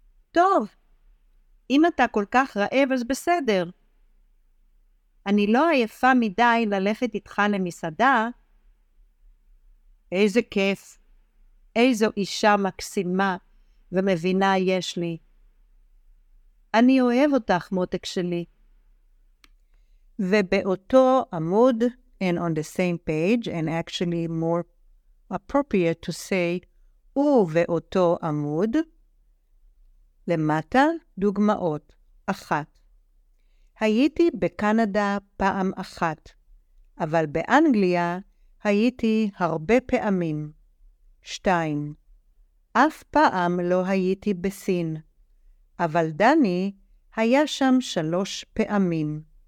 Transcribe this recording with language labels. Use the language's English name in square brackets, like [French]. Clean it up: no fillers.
[Hebrew] טוב, אם אתה כל כך רעב אז בסדר. אני לא עייפה מדי ללכת איתך למסעדה. איזה כיף, איזו אישה מקסימה ומבינה יש לי. אני אוהב אותך, מותק שלי. ובאותו עמוד, [English] and on the same page, and actually more appropriate to say, [Hebrew] ובאותו עמוד, למטה דוגמאות. 1. הייתי בקנדה פעם אחת, אבל באנגליה הייתי הרבה פעמים. 2. אף פעם לא הייתי בסין, אבל דני היה שם 3 פעמים.